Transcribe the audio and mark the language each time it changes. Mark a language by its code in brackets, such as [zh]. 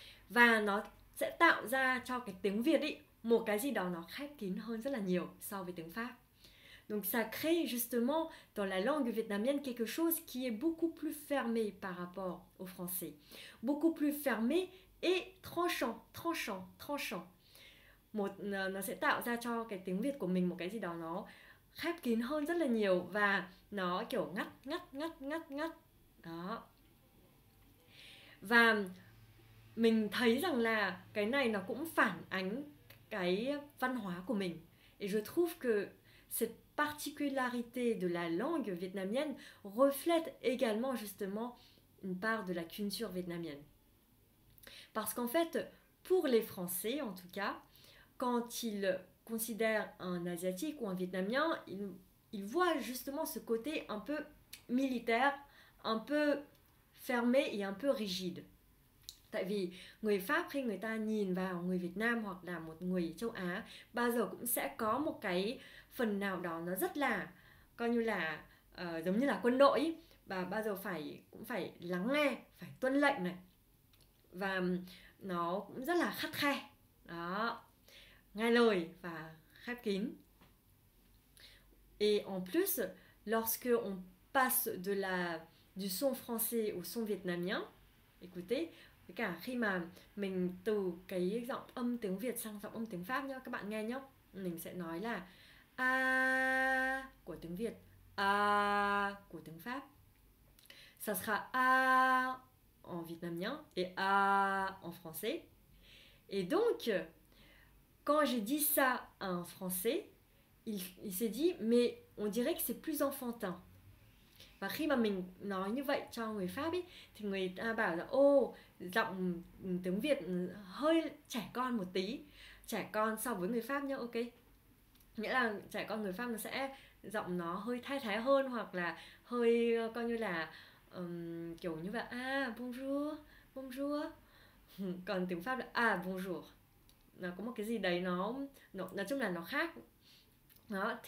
[vi] Và nó sẽ tạo ra cho cái tiếng Việt ý, một cái gì đó nó khép kín hơn rất là nhiều so với tiếng Pháp. [fr] Donc ça crée justement dans la langue vietnamienne quelque chose qui est beaucoup plus fermé par rapport au français. Beaucoup plus fermé et tranchant, tranchant, tranchant. [vi] Một, nó sẽ tạo ra cho cái tiếng Việt của mình một cái gì đó nó khép kín hơn rất là nhiều và nó kiểu ngắt, ngắt, ngắt, ngắt, ngắt. Đó. Và mình thấy rằng là cái này nó cũng phản ánh cái văn hóa của mình. [fr] Et je trouve que cette particularité de la langue vietnamienne reflète également justement une part de la culture vietnamienne. Parce qu'en fait, pour les Français en tout cas, quand ils considèrent un Asiatique ou un Vietnamien, ils voient justement ce côté un peu militaire, un peu fermé et un peu rigide. [vi] Tại vì người Pháp khi người ta nhìn vào người Việt Nam hoặc là một người châu Á, bao giờ cũng sẽ có một cái phần nào đó nó rất là coi như là giống như là quân đội ý, và bao giờ cũng phải lắng nghe, phải tuân lệnh này. Và nó cũng rất là khắt khe. Đó. Nghe lời và khép kín. [fr] Et en plus, lorsque on passe de la du son français au son vietnamien, écoutez, [vi] với cả khi mà mình từ cái giọng âm tiếng Việt sang giọng âm tiếng Pháp nhá, các bạn nghe nhá. Mình sẽ nói là a của tiếng Việt, a của tiếng Pháp. [fr] Ça sera a en vietnamien et a en français. Et donc, quand j'ai dit ça à un Français, il s'est dit, mais on dirait que c'est plus enfantin. [vi] Và khi mà mình nói như vậy cho người Pháp ấy thì người ta bảo là ô giọng tiếng Việt hơi trẻ con một tí, trẻ con so với người Pháp nhá, ok, nghĩa là trẻ con người Pháp nó sẽ giọng nó hơi thái thái hơn hoặc là hơi coi như là kiểu như vậy, à bonjour bonjour, còn tiếng Pháp là à bonjour, nó có một cái gì đấy nó nói chung là nó khác đó.